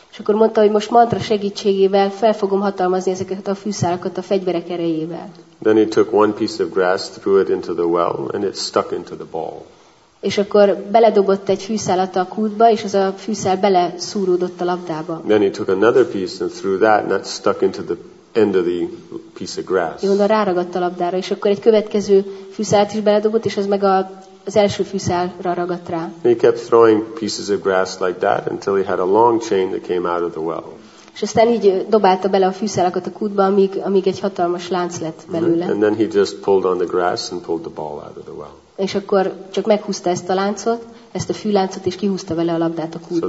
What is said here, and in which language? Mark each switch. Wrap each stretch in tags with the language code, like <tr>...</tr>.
<hu>És akkor mondta, hogy most mantra segítségével fel fogom hatalmazni ezeket a fűszálakat a fegyverek erejével.</hu> <en>Then he took one piece of grass, threw it into the well, and it stuck into the ball.</en> <hu>És akkor beledobott egy fűszálat a kútba, és az a fűszál beleszúródott a labdába.</hu> <en>Then he took another piece and threw that, and that stuck into the end of the piece of grass.</en> <hu>Jó, de ráragadt a labdára, és akkor egy következő fűszálat is beledobott, és az meg az első fűszálra ragadt rá.</hu> <en>He kept throwing pieces of grass like that until he had a long chain that came out of the well.</en> <hu>És aztán így dobálta bele a fűszálakat a kútba, amíg egy hatalmas lánc lett belőle.</hu> <en>And then he just pulled on the grass and pulled the ball out of the well.</en> <hu>És akkor csak meghúzta ezt a láncot, ezt a fűláncot, és kihúzta vele a labdát a kútból.</hu>